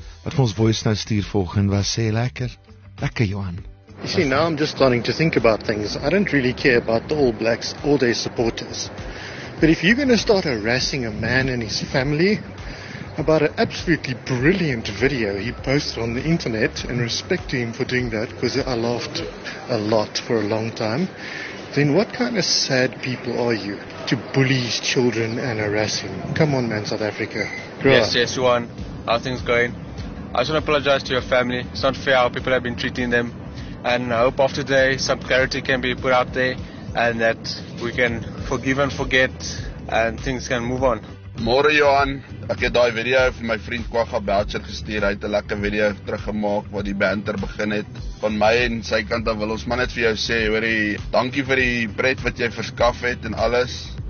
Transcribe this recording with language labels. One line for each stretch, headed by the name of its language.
Afrikaans: Wat ons voice nou stuur volgende was, sê lekker, lekker Johan.
English: You see, now I'm just starting to think about things. I don't really care about the All Blacks or their supporters. But if you're going to start harassing a man and his family about an absolutely brilliant video he posted on the internet, and respect to him for doing that, because I laughed a lot for a long time, then what kind of sad people are you to bully his children and harass him? Come on, man, South Africa. Yes, Johan. How's things going? I just want to apologize to your family. It's not fair how people have been treating them. And I hope after today some clarity can be put out there and that we can forgive and forget and things can move on.
Afrikaans: Môre Johan, ek het daai video vir my vriend Kwagga Belcher gestuur. Hy het 'n lekker video teruggemaak waar die banter begin het. Van my en sy kant af wil ons maar net vir jou sê, hoorie, dankie vir die pret wat jy verskaf het en alles.